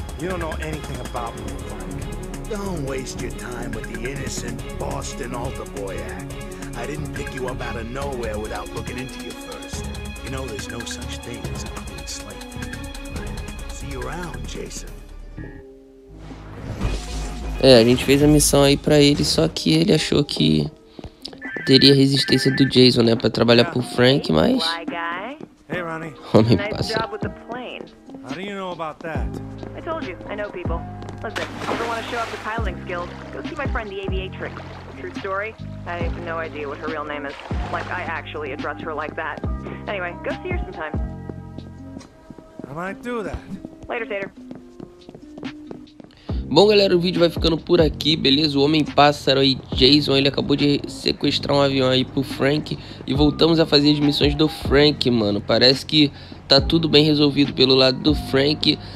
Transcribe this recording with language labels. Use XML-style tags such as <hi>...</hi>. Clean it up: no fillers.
<en>You don't know anything about me, Frank. Don't waste your time with the innocent Boston altar boy act. I didn't pick you up out of nowhere without looking into you first. You know there's no such thing as a clean slate. See you around, Jason.</en> <pt>É, a gente fez a missão aí pra ele, só que ele achou que teria resistência do Jason, né, pra trabalhar pro Frank, mas...</pt> <en>Hey, Ronnie.</en> <pt>Homem passa.</pt> <en>How do you know about that? I told you, I know people. Listen, if you ever want to show up the piloting skills, go see my friend the Aviatrix. True story, I have no idea what her real name is. Like, I actually address her like that. Anyway, go see her sometime. I might do that. Later, Tater.</en> <pt>Bom, galera, o vídeo vai ficando por aqui, beleza? O Homem-Pássaro aí, Jason, ele acabou de sequestrar um avião aí pro Frank. E voltamos a fazer as missões do Frank, mano. Parece que tá tudo bem resolvido pelo lado do Frank.</pt>